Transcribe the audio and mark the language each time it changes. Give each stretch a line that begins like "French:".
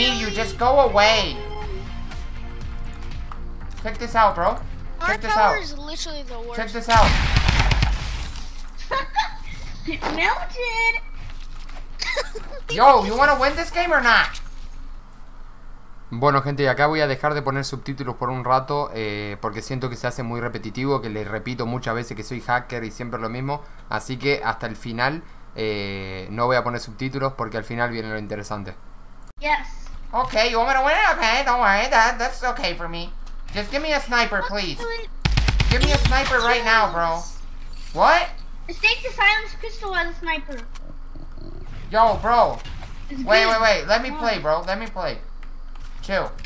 English: Need you. Just go away. Check this out, bro. Star this power out. Is literally the worst. Check this out. It melted. Yo, you want to win this game or not?
Spanish: Bueno, gente, acá voy a dejar de poner subtítulos por un rato porque siento que se hace muy repetitivo, que les repito muchas veces que soy hacker y siempre lo mismo. Así que hasta el final no voy a poner subtítulos porque al final viene lo interesante.
English: Yes. Okay, you want me to win it? Okay, don't worry. That's okay for me. Just give me a sniper, please. Give me a sniper right now, bro. What? Take the silence pistol as a sniper. Yo, bro. Wait. Let me play, bro. Let me play. Chill.